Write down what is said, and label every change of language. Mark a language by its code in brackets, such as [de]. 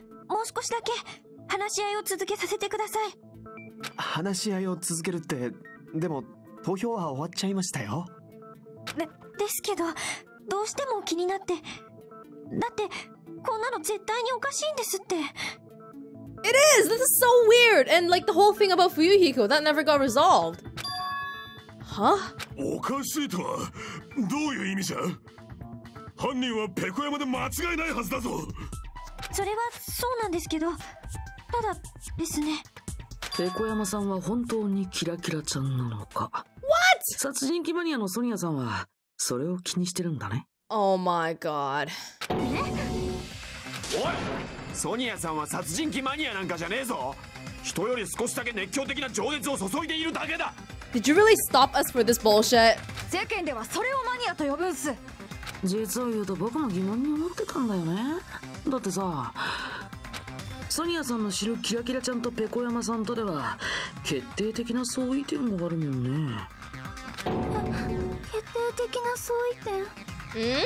[ja] もう少しだけ話し合いを続けさせてください。話し合いを続けるって、でも投票は終わっちゃいましたよ。ですけど、どうしても気になって。だってこんなの絶対におかしいんですって。 [en] It is! This is so weird! And like the whole thing about Fuyuhiko, that never got resolved. Huh? [ja] おかしいとはどういう意味じゃ？犯人はペコ山で間違いないはずだぞ。それはそうなんですけど、ただですね、ペコ山さんは本当にキラキラちゃんなのか。 [en] What? [ja] 殺人鬼マニアのソニアさんはそれを気にしてるんだね。 [en] Oh my god。 [ja] え？おい、ソニアさんは殺人鬼マニアなんかじゃねえぞ。人より少しだけ熱狂的な情熱を注いでいるだけだ。 [en] Did you really stop us for this bullshit? [ja] 世間ではそれをマニアと呼ぶんす。実を言うと僕も疑問に思ってたんだよね。だってさ、ソニアさんの知るキラキラちゃんとペコ山さんとでは決定的な相違点があるもんね。決定的な相違点？